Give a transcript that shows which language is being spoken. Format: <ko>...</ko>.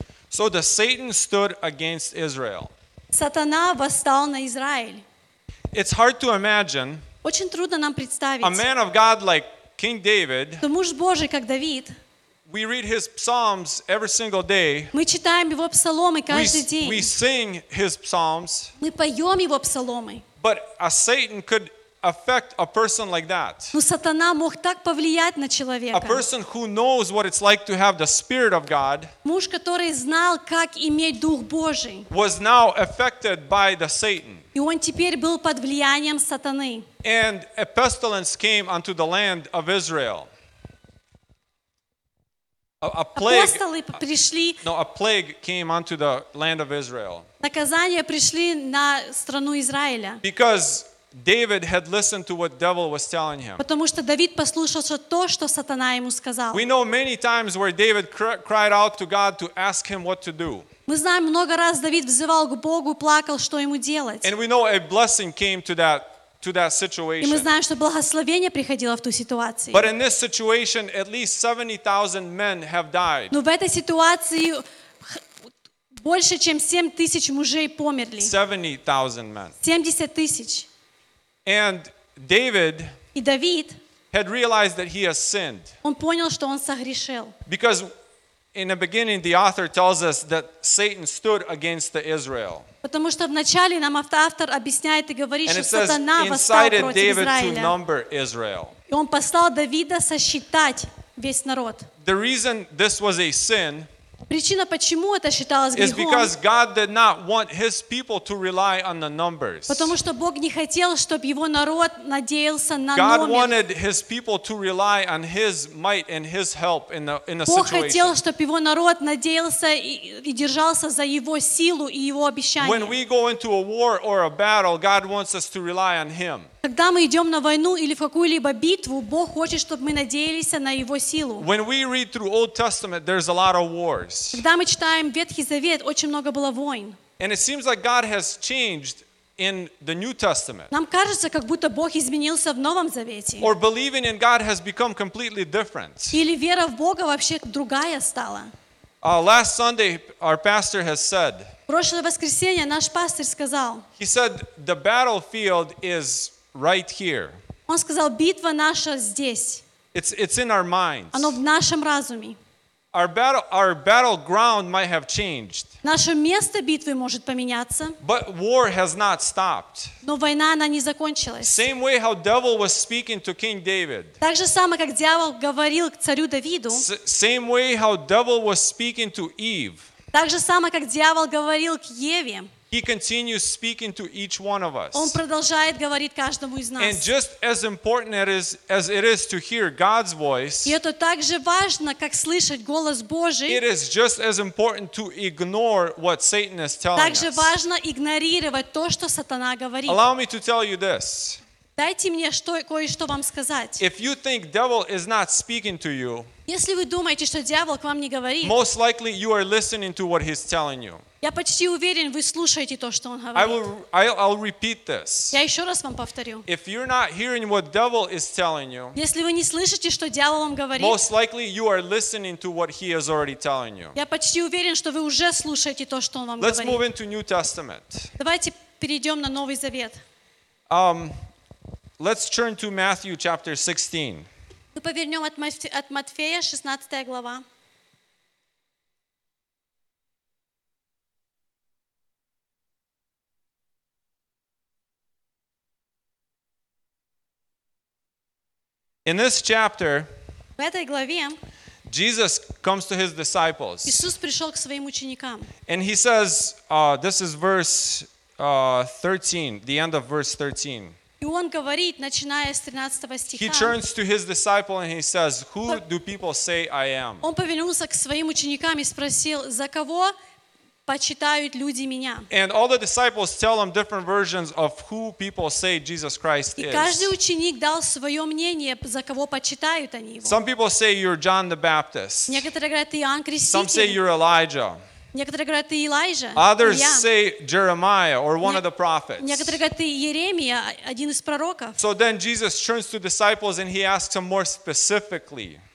<en>So the Satan stood against Israel.</en> <ru>Сатана восстал на Израиль.</ru> <en>It's hard to imagine.</en> <ru>Очень трудно нам представить.</ru> <en>A man of God like King David.</en> <ru>Но муж Божий, как Давид.</ru> <en>We read his psalms every single day.</en> <ru>Мы читаем его псалмы каждый день.</ru> <en>We sing his psalms.</en> <ru>Мы поем его псалмы.</ru> <en>But a Satan could affect a person like that.</en> <ru>Но сатана мог так повлиять на человека.</ru> <en>A person who knows what it's like to have the Spirit of God.</en> <ru>Муж, который знал, как иметь Дух Божий.</ru> <en>Was now affected by the Satan.</en> <ru>И он теперь был под влиянием сатаны.</ru> <en>And a pestilence came unto the land of Israel. A plague.</en> <ru>Апостолы пришли.</ru> <en>No, a plague came unto the land of Israel.</en> <ru>Наказание пришли на страну Израиля.</ru> <en>Because David had listened to what the devil was telling him.</en> <ru>Потому что Давид послушался то, что сатана ему сказал.</ru> <en>We know many times where David cried out to God to ask him what to do.</en> <ru>Мы знаем, много раз Давид взывал к Богу, плакал, что ему делать.</ru> <en>And we know a blessing came to that situation.</en> <ru>И мы знаем, что благословение приходило в ту ситуацию.</ru> <en>But in this situation, at least 70,000 men have died.</en> <ru>Но в этой ситуации больше, чем 7,000 мужей померли.</ru> <en>70,000 men.</en> <ru>70,000.</ru> <en>And David,</en> <ru>и Давид,</ru> <en>had realized that he has sinned.</en> <ru>Он понял, что он согрешил.</ru> <en>Because in the beginning, the author tells us that Satan stood against the Israel.</en> <ru>Потому что вначале нам автор объясняет и говорит, что сатана восстал против Израиля.</ru> <en>Incited David to number Israel.</en> <ru>И он послал Давида сосчитать весь народ.</ru> <en>The reason this was a sin.</en> <ru>Причина, почему это считалось грехом,</ru> <en>is because God did not want his people to rely on the numbers.</en> <ru>Потому что Бог не хотел, чтобы его народ надеялся на номер.</ru> <en>God wanted his people to rely on his might and his help in the</en> <ru>Бог</ru> <en>situation.</en> <ru>Хотел, чтобы его народ надеялся и держался за его силу и его обещание.</ru> <en>When we go into a war or a battle, God wants us to rely on him.</en> <ru>Когда мы идем на войну или в какую-либо битву, Бог хочет, чтобы мы надеялись на Его силу.</ru> <en>When we read through Old Testament, there's a lot of wars.</en> <ru>Когда мы читаем Ветхий Завет, очень много было войн.</ru> <en>And it seems like God has changed in the New Testament.</en> <ru>Нам кажется, как будто Бог изменился в Новом Завете.</ru> <en>Or believing in God has become completely different.</en> <ru>Или вера в Бога вообще другая стала.</ru> <en>Last Sunday, our pastor has said.</en> <ru>Прошлое воскресенье наш пастор сказал.</ru> <en>He said the battlefield is right here.</en> <ru>Он сказал, битва наша здесь.</ru> <en>It's in our minds.</en> <ru>Оно в нашем разуме.</ru> <en>Our battleground might have changed.</en> <ru>Наше место битвы может поменяться.</ru> <en>But war has not stopped.</en> <ru>Но война она не закончилась.</ru> <en>Same way how devil was speaking to King David.</en> <ru>Так же самое, как дьявол говорил к царю Давиду.</ru> <en>Same way how devil was speaking to Eve.</en> <ru>Так же самое, как дьявол говорил к Еве.</ru> <en>He continues speaking to each one of us.</en> <ru>Он продолжает говорить каждому из нас.</ru> <en>And just as important as it is to hear God's voice,</en> <ru>и это так же важно, как слышать голос Божий.</ru> <en>It is just as important to ignore what Satan is telling</en> <ru>us. Так же важно игнорировать то, что сатана говорит.</ru> <en>Allow me to tell you this.</en> <ru>Дайте мне кое-что вам сказать.</ru> <en>If you think devil is not speaking to you,</en> <ru>если вы думаете, что дьявол к вам не говорит,</ru> <en>most likely you are listening to what he's telling you.</en> <ru>Я почти уверен, вы слушаете то, что он говорит.</ru> <en>I'll repeat this.</en> <ru>Я еще раз вам повторю.</ru> <en>If you're not hearing what devil is telling you,</en> <ru>если вы не слышите, что дьявол вам говорит,</ru> <en>most likely you are listening to what he is already telling you.</en> <ru>Я почти уверен, что вы уже слушаете то, что он вам</ru> <en>Let's</en> <ru>говорит.</ru> <en>Let's move into New Testament.</en> <ru>Давайте перейдем на Новый Завет.</ru> <en>Let's turn to Matthew chapter 16.</en> <ru>Мы повернем от Матфея 16 глава.</ru> <en>In this chapter,</en> <ru>в этой главе,</ru> <en>Jesus comes to his disciples.</en> <ru>Иисус пришел к своим ученикам.</ru> <en>And he says, this is verse 13, the end of verse 13.</en> <ru>И он говорит, начиная с 13 стиха.</ru> <en>He turns to his disciple and he says, "Who do people say I am?"</en> <ru>Он повернулся к своим ученикам и спросил, за кого почитают люди меня?</ru> <en>And all the disciples tell him different versions of who people say Jesus Christ is.</en> <ru>И каждый ученик дал свое мнение, за кого почитают они его.</ru> <en>Some people say you're John the Baptist.</en> <ru>Некоторые говорят, ты Иоанн Креститель.</ru> <en>Some say you're Elijah.</en> <ru>Некоторые говорят, ты Илайя.</ru> <en>Others say Jeremiah or one of the prophets.</en> <ru>Некоторые говорят, ты Иеремия, один из пророков.</ru> <en>So then Jesus turns to disciples and he asks them more specifically.</en>